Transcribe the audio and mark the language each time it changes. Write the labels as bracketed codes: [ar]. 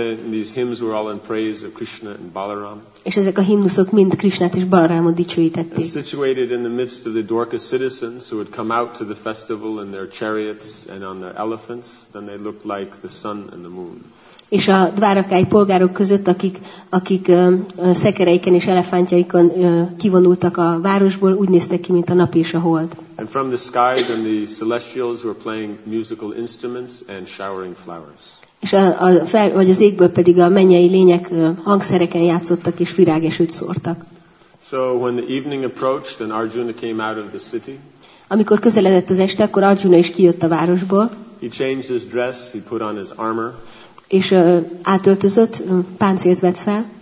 [en] These hymns were all in praise of Krishna and Balaram. [hu] És ezek a himnuszok mind Krishnát és Balarámot dicsőítették. [en] Situated in the midst of the Dwarka citizens who had come out to the festival in their chariots and on their elephants, then they looked like the sun and the moon. [hu] És a dvárakai polgárok között, akik szekereiken és elefántjaikon kivonultak a városból, úgy néztek ki, mint a nap és a hold. [en] And from the sky, then the celestials were playing musical instruments and showering flowers. [hu] És vagy az égből pedig a mennyei lények hangszereken játszottak és virágesőt szórtak. [en] So when the evening approached, then Arjuna came out of the city. [hu] Amikor közeledett az este, akkor Arjuna is kijött a városból. [en] He changed his dress, he put on his armor. [hu] És átöltözött, páncélt vett fel.